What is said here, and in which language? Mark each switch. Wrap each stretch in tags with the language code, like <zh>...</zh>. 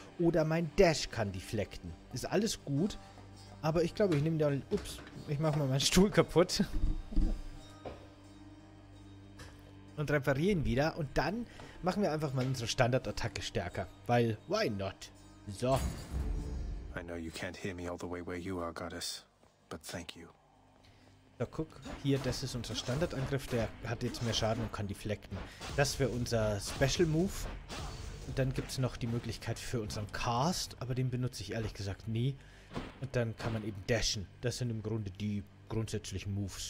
<de>Oder mein Dash kann deflekten. Ist alles gut. Aber ich glaube, ich nehme da... Ups, ich mache mal meinen Stuhl kaputt. Und reparieren wieder. Und dann machen wir einfach mal unsere Standardattacke stärker. Weil,</de> <en>why not?</en> <de>So.</de> <en>I know you can't hear me all the way where you are, Goddess. But thank you.</en> <de>So, guck. Hier, das ist unser Standardangriff. Der hat jetzt mehr Schaden und kann deflekten. Das wäre unser Special Move. Und dann gibt es noch die Möglichkeit für unseren Cast. Aber den benutze ich ehrlich gesagt nie. Und dann kann man eben dashen. Das sind im Grunde die grundsätzlichen Moves.</de>